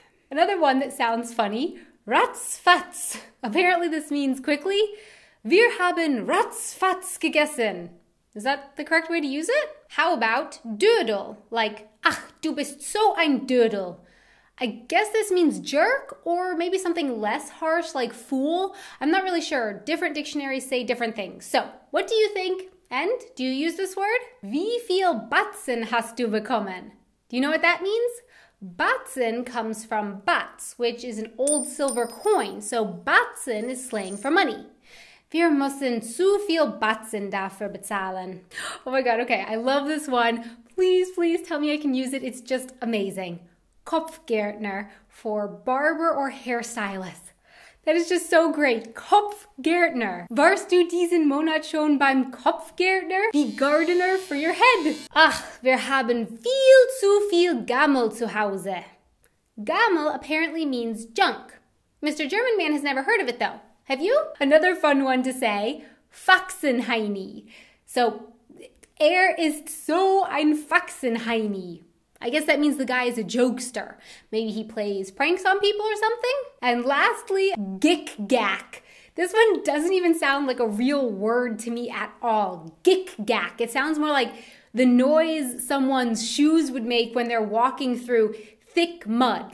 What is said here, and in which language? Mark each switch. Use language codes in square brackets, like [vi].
[en] Another one that sounds funny, ratzfatz. Apparently this means quickly, [de] wir haben ratzfatz gegessen. [en] Is that the correct way to use it? How about dödel? Like, [de] ach, du bist so ein dödel. [en] I guess this means jerk, or maybe something less harsh like fool. I'm not really sure. Different dictionaries say different things. So what do you think? And do you use this word? [de] Wie viel Batzen hast du bekommen? [en] Do you know what that means? Batzen comes from Batz, which is an old silver coin. So Batzen is slang for money. [de] Wir müssen zu viel Batzen dafür bezahlen. [en] Oh my God, okay, I love this one. Please, please tell me I can use it. It's just amazing. Kopfgärtner for barber or hairstylist. That is just so great. Kopfgärtner. [de] Warst du diesen Monat schon beim Kopfgärtner? [en] The gardener for your head. [de] Ach, wir haben viel zu viel Gammel zu Hause. [en] Gammel apparently means junk. Mr. German Man has never heard of it though. Have you? Another fun one to say, Faxenheini. [de] So, er ist so ein Faxenheini. [en] I guess that means the guy is a jokester. Maybe he plays pranks on people or something? And lastly, gick-gack. This one doesn't even sound like a real word to me at all. Gick-gack. It sounds more like the noise someone's shoes would make when they're walking through thick mud.